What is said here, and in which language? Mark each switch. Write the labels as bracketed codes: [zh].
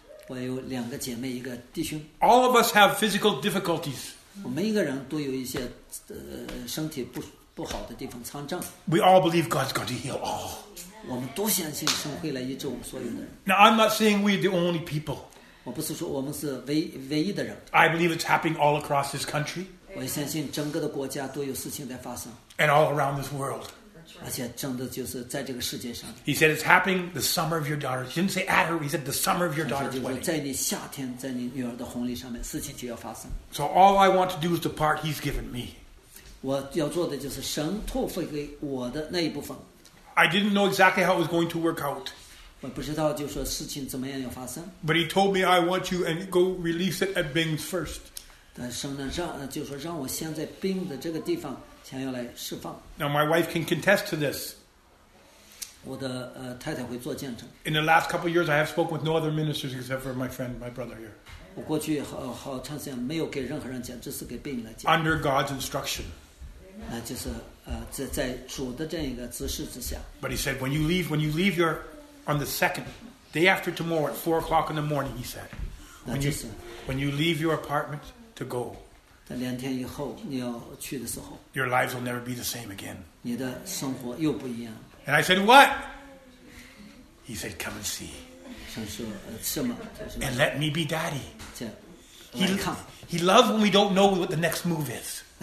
[zh] 我有两个姐妹，一个弟兄。 [en] All of us have physical difficulties. [zh] 我们一个人都有一些身体不好的地方，残障。 [en] We all believe God's going to heal all. [zh] 我们都相信神会来医治我们所有的人。 [en] Now I'm not saying we're the only people. [zh] 我不是说我们是唯一的人。 [en] I believe it's happening all across this country. [zh] 我相信整个的国家都有事情在发生。 [en] And all around this world. [zh] 而且真的就是在这个世界上。 [en] He said it's happening the summer of your daughter. He didn't say at her. He said the summer of your daughter's wedding. [zh] 在你夏天，在你女儿的婚礼上面，事情就要发生。 [en] So all I want to do is the part He's given me. [zh] 我要做的就是神托付给我的那一部分。 [en] I didn't know exactly how it was going to work out. [zh] 我不知道，就说事情怎么样要发生。 [en] But He told me I want you and go release it at Bing's first. [zh] 但神呢，就说让我先在 Bing 的这个地方。 [en] Now my wife can contest to this. [zh] 我的太太会做见证。 [en] In the last couple of years, I have spoken with no other ministers except for my friend, my brother here. [zh] 我过去好长时间没有给任何人讲，只是给病人来讲。 [en] Under God's instruction. [zh] 那就是在主的这样一个指示之下。 [en] But he said, when you leave your on the second day after tomorrow at 4 o'clock in the morning, he said, when you leave your apartment to go. [zh] 两天以后你要去的时候 [en] Your lives will never be the same again. [zh] 你的生活又不一样 [en] And I said, what? He said, come and see. [zh] 神说什么 [en] And let me be daddy. [zh] 这来看 [en] He loves when we don't know what the next move is.